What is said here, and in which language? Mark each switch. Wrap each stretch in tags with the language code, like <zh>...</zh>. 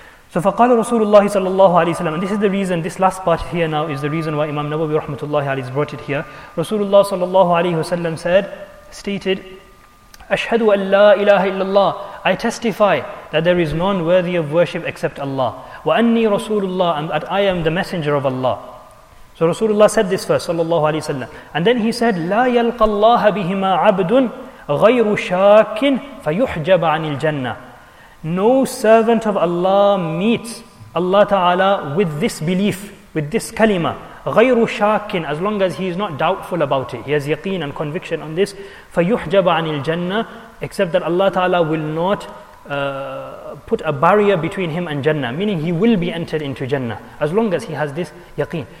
<ar>So فقال رسول الله صلى الله عليه وسلم.</ar> <en>And this is the reason, this last part here now is the reason why Imam Nawawi rahmatullah alayhi brought it here.</en> <ar>Rasulullah sallallahu alayhi wa sallam stated, أشهد أن لا إله إلا الله.</ar> <en>I testify that there is none worthy of worship except Allah.</en> <ar>وأني رسول الله.</ar> <en>And that I am the messenger of Allah. So Rasulullah said this first, sallallahu alayhi wa sallam. And then he said, لا يلقى الله بهما عبد غير شاك فيحجب عن الجنة. No servant of Allah meets Allah Ta'ala, with this belief, with this kalima, غَيْرُ شَاكٍ, as long as he is not doubtful about it, he has yaqeen and conviction on this, فَيُحْجَبَ عَنِ الْجَنَّةِ, except that Allah Ta'ala will not put a barrier between him and Jannah, meaning he will be entered into Jannah, as long as he has this yaqeen.</en>